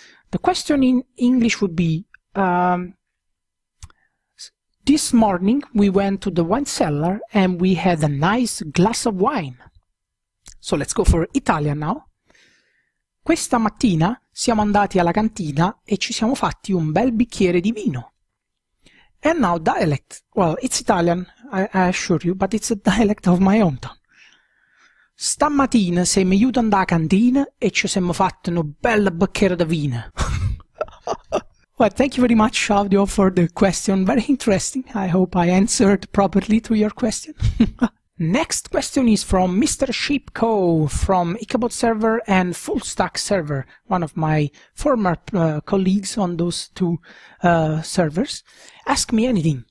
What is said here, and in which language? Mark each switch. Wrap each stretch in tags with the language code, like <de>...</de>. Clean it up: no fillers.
<en>The question in English would be, this morning we went to the wine cellar and we had a nice glass of wine. So let's go for Italian now.</en> <it>Questa mattina siamo andati alla cantina e ci siamo fatti un bel bicchiere di vino.</it> <en>And now dialect. Well, it's Italian, I assure you, but it's a dialect of my hometown.</en> <it>Stamattina siamo andati alla cantina e ci siamo fatti un bel bicchiere di vino.</it> <en>Well, thank you very much, Audio, for the question. Very interesting. I hope I answered properly to your question. Next question is from Mr. Sheepco from Ichabod Server and Fullstack Server, one of my former colleagues on those two servers. Ask me anything.</en>